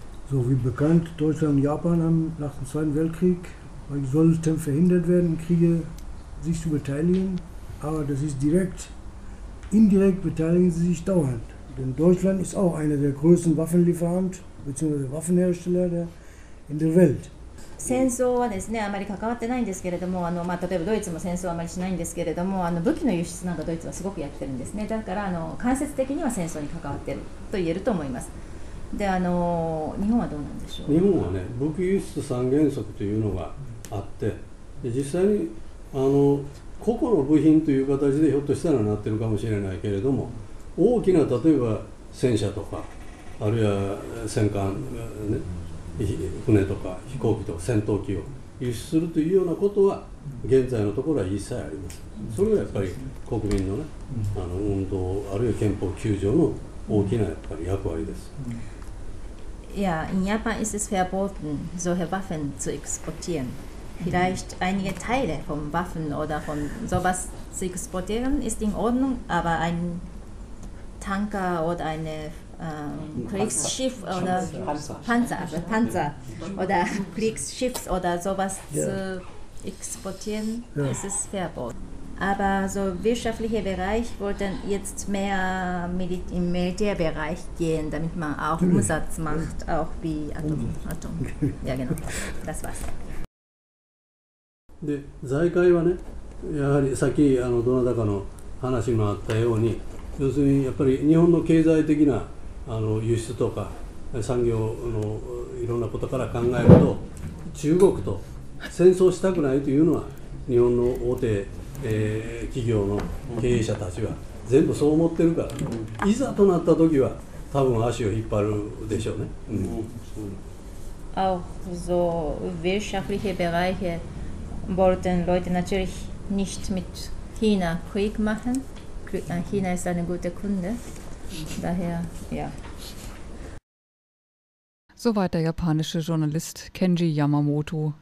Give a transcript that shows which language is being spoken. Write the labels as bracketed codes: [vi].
[de] So wie bekannt, Deutschland und Japan haben nach dem Zweiten Weltkrieg, weil es sollte verhindert werden, Kriege sich zu beteiligen. Aber das ist direkt, indirekt beteiligen sie sich dauernd. Denn Deutschland ist auch einer der größten Waffenlieferanten bzw. Waffenhersteller in der Welt. [ja] 戦争はですね、あまり関わってないんですけれども、例えばドイツも戦争はあまりしないんですけれども、武器の輸出などドイツはすごくやってるんですね。だから間接的には戦争に関わってると言えると思います。で、日本はどうなんでしょう。日本はね、武器輸出三原則というのがあって、で実際に個々の部品という形でひょっとしたらなってるかもしれないけれども、大きな例えば戦車とか、あるいは戦艦ね、船とか飛行機とか戦闘機を輸出するというようなことは現在のところは一切ありません。それはやっぱり国民のね、運動あるいは憲法9条の大きなやっぱり役割です。 [de] Ja, in Japan ist es verboten, solche Waffen zu exportieren. Vielleicht einige Teile von Waffen oder von sowas zu exportieren ist in Ordnung, aber ein Tanker oder eine Kriegsschiff oder Panzer oder Kriegsschiffs oder sowas zu exportieren, ist es verboten. aber so wirtschaftliche Bereich wollten jetzt mehr im Militärbereich gehen, damit man auch Umsatz macht, auch wie Atom. Ja, genau. Das war's. [ja] で、財界はね、やはりさっきあのどなたかの話のあったように、要するにやっぱり日本の経済的なあの輸出とか産業のいろんなことから考えると、中国と戦争したくないというのは日本の大手、企業の経営者たちは全部そう思ってるから、ね、いざとなった時は多分足を引っ張るでしょうね。 [de] Auch so wirtschaftliche Bereiche wollten Leute natürlich nicht mit China Krieg machen. China ist eine gute Kunde. Daher, ja. Soweit der japanische Journalist Kenji Yamamoto.